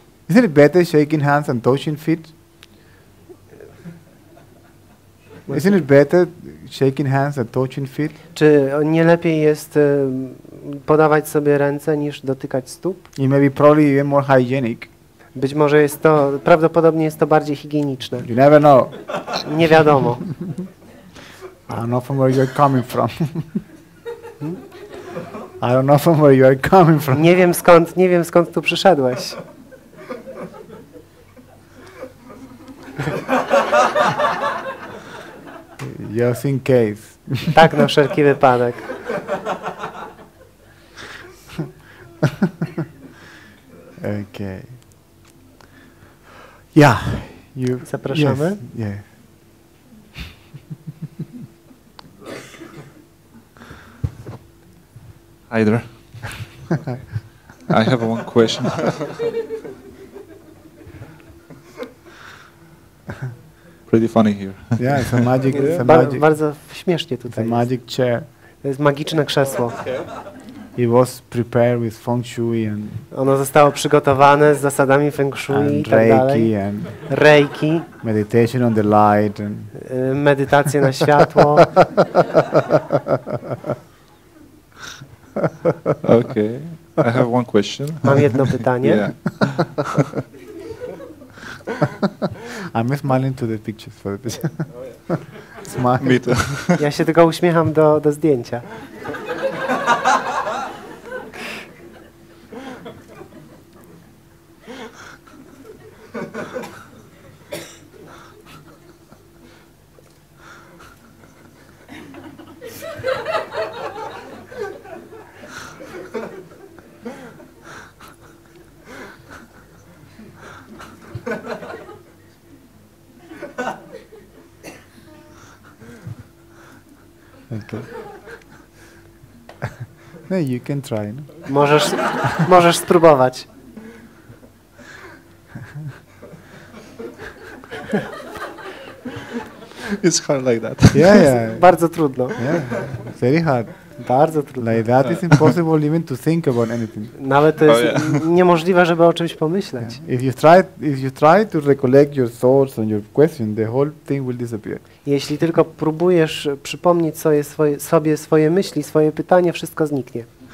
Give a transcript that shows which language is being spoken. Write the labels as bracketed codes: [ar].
[en] Isn't it better shaking hands and touching feet? Isn't it better shaking hands and touching feet? [pl] Czy nie lepiej jest podawać sobie ręce niż dotykać stóp? [en] It may be probably even more hygienic. [pl] Być może jest to, prawdopodobnie jest to bardziej higieniczne. [en] You never know. [pl] Nie wiadomo. [en] I don't know from where you're coming from. I don't know from where you're coming from. [pl] Nie wiem skąd tu przyszedłeś. [en] Just in case. [pl] Tak, na wszelki wypadek. [en] Okay. Yeah. You. [pl] Zapraszamy. [en] Yes. Yeah. Hi there. I have one question. Pretty funny here. Yeah, it's a magic. [pl] Bardzo śmiesznie tutaj. [en] It's a magic chair. [pl] To jest magiczne krzesło. [en] It was prepared with feng shui and. [pl] Ono zostało przygotowane z zasadami feng shui [en] and reiki and. [pl] Reiki. [en] Meditation on the light and. [pl] Medytacja na światło. [en] Okay. I have one question. [pl] Mam jedno pytanie. [en] I'm smiling to the pictures for the picture. Smile. Me too. [pl] Ja się tylko uśmiecham do zdjęcia. [en] No, you can try. No? [pl] Możesz spróbować. [en] It's hard like that. Yeah, yeah. [pl] Bardzo trudno. [en] Yeah. Very hard. [pl] Bardzo trudno. [en] Like that is impossible even to think about anything. [pl] Nawet to jest niemożliwe, żeby o czymś pomyśleć. [en] Yeah. If you try to recollect your thoughts and your question, the whole thing will disappear. [pl] Jeśli tylko próbujesz przypomnieć sobie swoje myśli, swoje pytanie, wszystko zniknie.